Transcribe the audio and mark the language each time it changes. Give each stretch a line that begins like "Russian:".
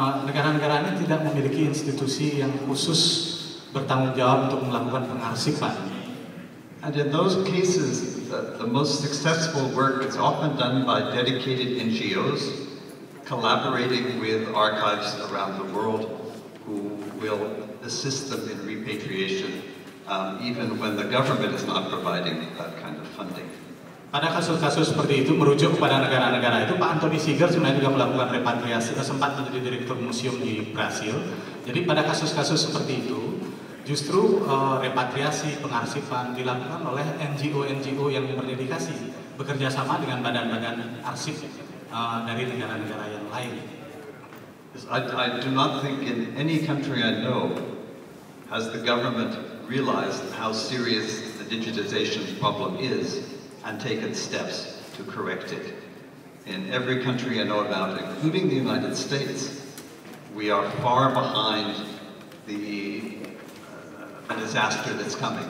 Indonesian: Negara-negara ini tidak memiliki institusi yang khusus bertanggung jawab untuk melakukan pengarsipan.
English: And in those cases, the most successful work is often done by dedicated NGOs collaborating with archives around the world who will assist them in repatriation even when the government is not providing that kind of funding.
Indonesian: Pada kasus-kasus seperti itu, merujuk kepada negara-negara itu, Pak Anthony Seeger sebenarnya juga melakukan repatriasi, sempat menjadi direktur museum di Brasil. Jadi pada kasus-kasus seperti itu, justru repatriasi pengarsipan dilakukan oleh NGO-NGO yang berdedikasi bekerja sama dengan badan-badan arsip dari negara-negara yang lain.
English: I do not think in any country I know has the government realized how serious the digitization problem is and taken steps to correct it. In every country I know about, including the United States, we are far behind the disaster that's coming.